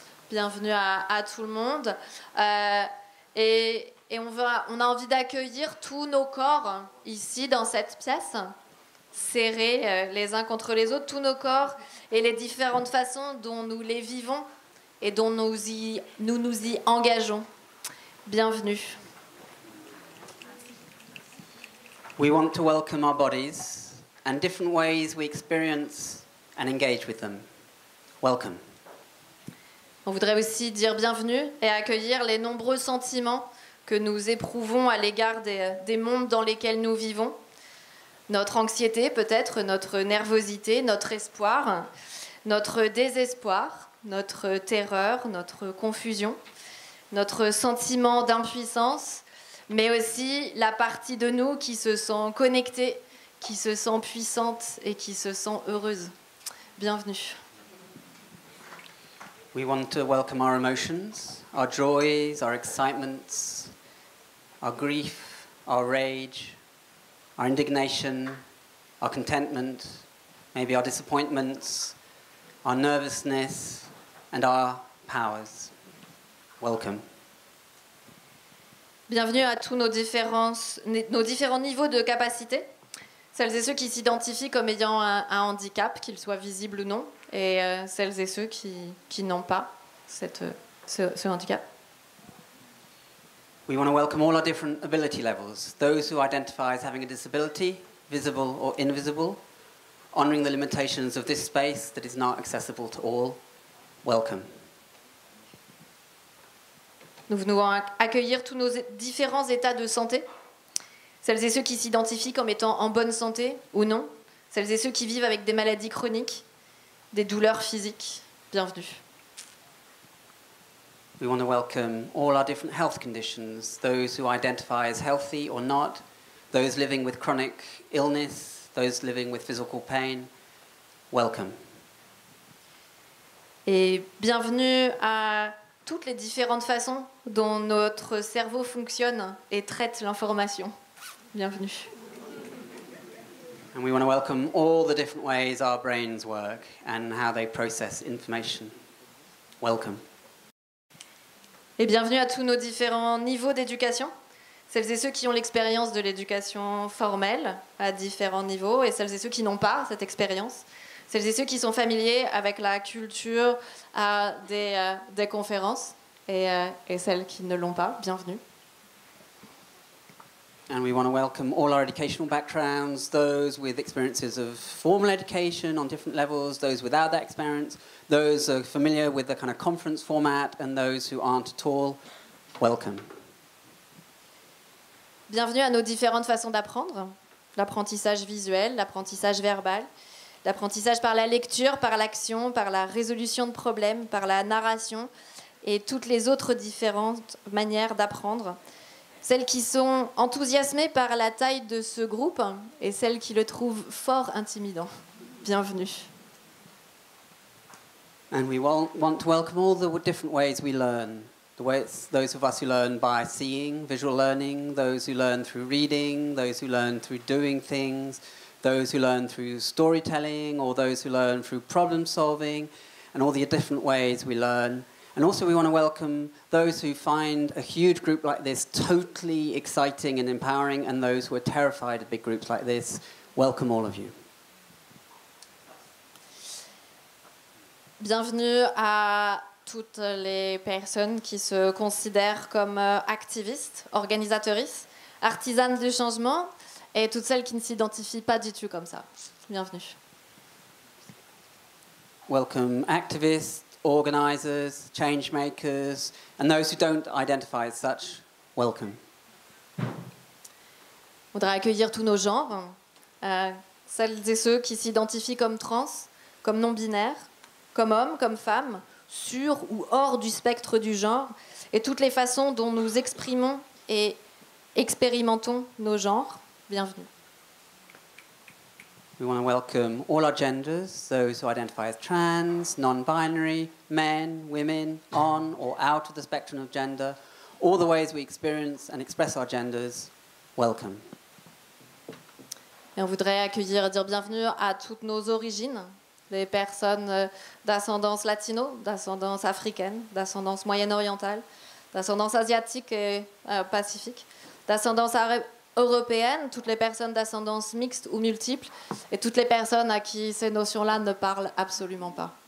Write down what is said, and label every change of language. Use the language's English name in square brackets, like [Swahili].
[French] Bienvenue à tout le monde. On a envie d'accueillir tous nos corps ici dans cette pièce, serrés les uns contre les autres, tous nos corps et les différentes façons dont nous les vivons et dont nous y engageons. Bienvenue. [English] We want to welcome our bodies and different ways we experience and engage with them. Welcome. [French] On voudrait aussi dire bienvenue et accueillir les nombreux sentiments que nous éprouvons à l'égard des mondes dans lesquels nous vivons. Notre anxiété, peut-être, notre nervosité, notre espoir, notre désespoir, notre terreur, notre confusion, notre sentiment d'impuissance, mais aussi la partie de nous qui se sent connectée, qui se sent puissante et qui se sent heureuse. Bienvenue. [English] We want to welcome our emotions, our joys, our excitements, our grief, our rage, our indignation, our contentment, maybe our disappointments, our nervousness, and our powers. Welcome. [French] Bienvenue à tous nos différents niveaux de capacité, celles et ceux qui s'identifient comme ayant un handicap, qu'ils soient visibles ou non, et celles et ceux qui n'ont pas ce handicap. [English] We want to welcome all our different ability levels, those who identify as having a disability, visible or invisible, honoring the limitations of this space that is not accessible to all. Welcome. [French] Nous venons accueillir tous nos différents états de santé, celles et ceux qui s'identifient comme étant en bonne santé ou non, celles et ceux qui vivent avec des maladies chroniques, des douleurs physiques. Bienvenue. [English] We want to welcome all our different health conditions, those who identify as healthy or not, those living with chronic illness, those living with physical pain. Welcome. [French] Et bienvenue à toutes les différentes façons dont notre cerveau fonctionne et traite l'information. Bienvenue. [English] And we want to welcome all the different ways our brains work and how they process information. Welcome. [French] Et bienvenue à tous nos différents niveaux d'éducation, celles et ceux qui ont l'expérience de l'éducation formelle à différents niveaux, et celles et ceux qui n'ont pas cette expérience, celles et ceux qui sont familiers avec la culture à des conférences, et celles qui ne l'ont pas, bienvenue. [English] And we want to welcome all our educational backgrounds, those with experiences of formal education on different levels, those without that experience, those are familiar with the kind of conference format, and those who aren't at all, welcome. [French] Bienvenue à nos différentes façons d'apprendre, l'apprentissage visuel, l'apprentissage verbal, l'apprentissage par la lecture, par l'action, par la résolution de problèmes, par la narration, et toutes les autres différentes manières d'apprendre. Celles qui sont enthousiasmées par la taille de ce groupe et celles qui le trouvent fort intimidant. Bienvenue. [English] And we want to welcome all the different ways we learn. Those of us who learn by seeing, visual learning, those who learn through reading, those who learn through doing things, those who learn through storytelling, or those who learn through problem solving, and all the different ways we learn. And also we want to welcome those who find a huge group like this totally exciting and empowering, and those who are terrified of big groups like this. Welcome all of you. [French] Bienvenue à toutes les personnes qui se considèrent comme activistes, organisatrices, artisanes du changement, et toutes celles qui ne s'identifient pas du tout comme ça. Bienvenue. [English] Welcome activists, organizers, change makers, and those who don't identify as such. Welcome. [French] On voudrait accueillir tous nos genres, celles et ceux qui s'identifient comme trans, comme non-binaires, comme hommes, comme femmes, sur ou hors du spectre du genre, et toutes les façons dont nous exprimons et expérimentons nos genres. Bienvenue. [English] We want to welcome all our genders, those who identify as trans, non-binary, men, women, on or out of the spectrum of gender, all the ways we experience and express our genders. Welcome. [French] Et on voudrait accueillir et dire bienvenue à toutes nos origines, les personnes d'ascendance latino, d'ascendance africaine, d'ascendance moyenne-orientale, d'ascendance asiatique et pacifique, d'ascendance européenne, toutes les personnes d'ascendance mixte ou multiple, et toutes les personnes à qui ces notions-là ne parlent absolument pas.